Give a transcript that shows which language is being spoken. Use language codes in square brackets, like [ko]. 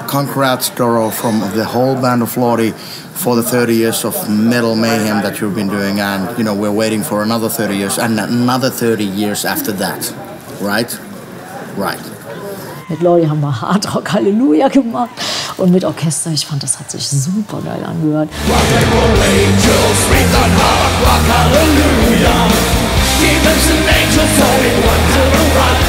[en] Congrats, Doro, from the whole band of Lordi for the 30 years of metal mayhem that you've been doing. And, you know, we're waiting for another 30 years and another 30 years after that. Right? Right. [de] Mit Lordi haben wir Hard Rock Halleluja gemacht. Und mit Orchester, ich fand, das hat sich super geil angehört. [en] Rock and roll angels, breathe on Hard Rock Halleluja. Demons and angels, all in one to the rock.